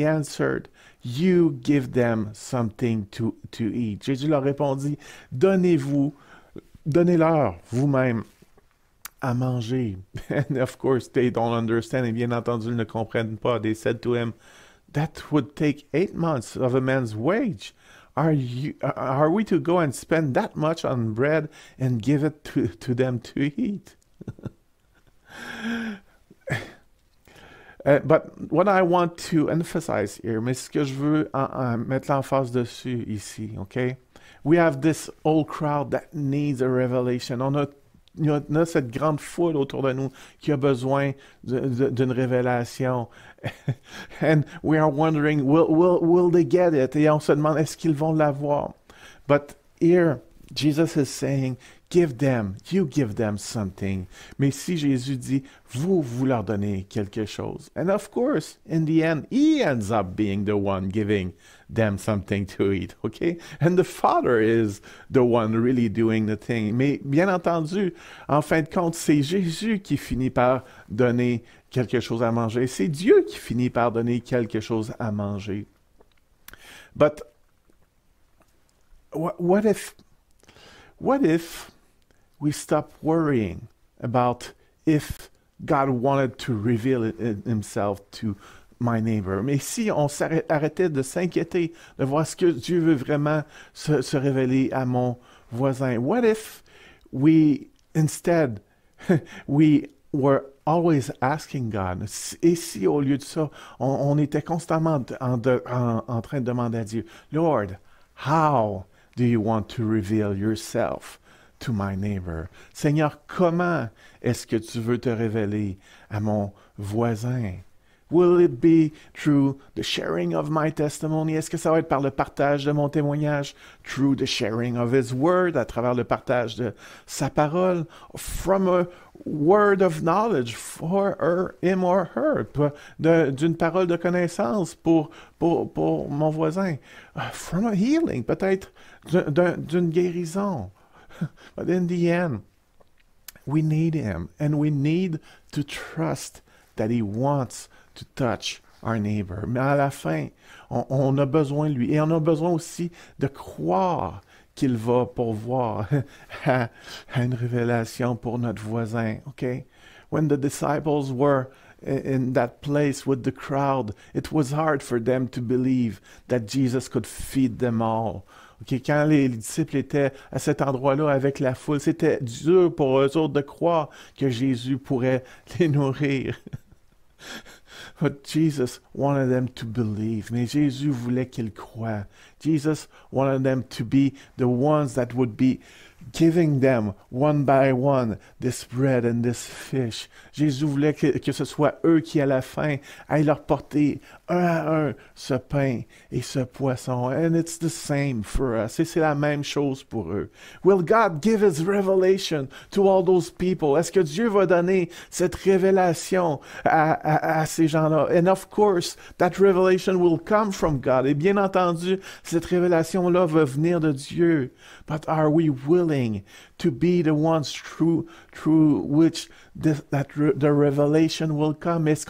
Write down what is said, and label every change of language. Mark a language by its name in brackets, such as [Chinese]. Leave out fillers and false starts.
[English] He answered, you give them something to eat. [French] Jésus leur répondit, donnez-leur vous-même à manger. [English] And of course, they don't understand. [French] Et bien entendu, ils ne comprennent pas. [English] They said to him, that would take 8 months of a man's wage. Are we to go and spend that much on bread and give it to them to eat? But what I want to emphasize here, [French] mais ce que je veux mettre l'emphase dessus ici, okay? [English] We have this whole crowd that needs a revelation. [French] On a cette grande foule autour de nous qui a besoin d'une révélation. [English] And we are wondering, will they get it? [French] Et on se demande, est-ce qu'ils vont l'avoir? [English] But here, Jesus is saying, you give them something. [French] Mais si Jésus dit, vous leur donnez quelque chose. [English] And of course, in the end, he ends up being the one giving them something to eat, okay? And the Father is the one really doing the thing. [French] Mais bien entendu, en fin de compte, c'est Jésus qui finit par donner quelque chose à manger. C'est Dieu qui finit par donner quelque chose à manger. [English] But what if we stop worrying about if God wanted to reveal himself to my neighbor? [French] Mais si on s'arrêtait de s'inquiéter de voir ce que Dieu veut vraiment se révéler à mon voisin? [English] What if we instead we were always asking God? [French] Et si au lieu de ça, on était constamment en train de demander à Dieu, [English] Lord, how do you want to reveal yourself to my neighbor? [French] Seigneur, comment est-ce que tu veux te révéler à mon voisin? [English] Will it be through the sharing of my testimony? [French] Est-ce que ça va être par le partage de mon témoignage? [English] Through the sharing of his word, [French] à travers le partage de sa parole? [English] From a word of knowledge for her, him or her, [French] d'une parole de connaissance pour mon voisin? [English] From a healing, [French] peut-être d'une guérison. [English] But in the end, we need him and we need to trust that he wants to touch our neighbor. [French] Mais à la fin, on a besoin de lui. Et on a besoin aussi de croire qu'il va pourvoir à une révélation pour notre voisin. [English] Okay? When the disciples were in that place with the crowd, it was hard for them to believe that Jesus could feed them all. Okay? [French] Quand les disciples étaient à cet endroit-là avec la foule, c'était dur pour eux autres de croire que Jésus pourrait les nourrir. [English] But Jesus wanted them to believe. [French] Mais Jésus voulait qu'ils croient. [English] Jesus wanted them to be the ones that would be giving them one by one this bread and this fish. [French] Jésus voulait que ce soit eux qui, à la fin, aillent leur porter un à un ce pain et ce poisson. [English] And it's the same for us. [French] Et c'est la même chose pour eux. [English] Will God give his revelation to all those people? [French] Est-ce que Dieu va donner cette révélation à ces gens-là? [English] And of course, that revelation will come from God. [French] Et bien entendu, cette révélation-là va venir de Dieu. [English] But are we willing to be the ones through which the revelation will come?